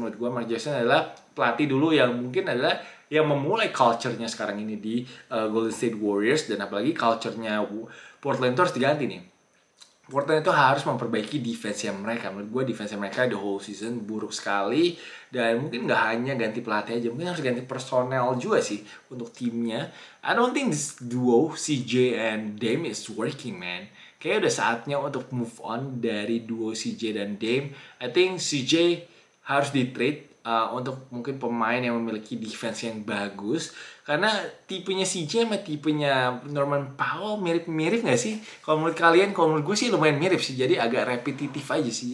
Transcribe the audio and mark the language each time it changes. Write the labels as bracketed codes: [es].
[id] Menurut gue Mark Jackson adalah pelatih dulu yang mungkin adalah yang memulai culture-nya sekarang ini di Golden State Warriors. Dan apalagi culture-nya Portland harus diganti nih. Portland itu harus memperbaiki defense-nya mereka. Menurut gue defense-nya mereka [en] the whole season [id] buruk sekali. Dan mungkin gak hanya ganti pelatih aja, mungkin harus ganti personel juga sih untuk timnya. [en] I don't think this duo, CJ and Dame, is working, man. [id] Kayaknya udah saatnya untuk move on dari duo CJ dan Dame. [en] I think [id] CJ harus di-trade. untuk mungkin pemain yang memiliki defense yang bagus. Karena tipenya CJ sama tipenya Norman Powell mirip-mirip nggak sih? Kalau menurut kalian, kalau menurut gue sih lumayan mirip sih. Jadi agak repetitif aja sih.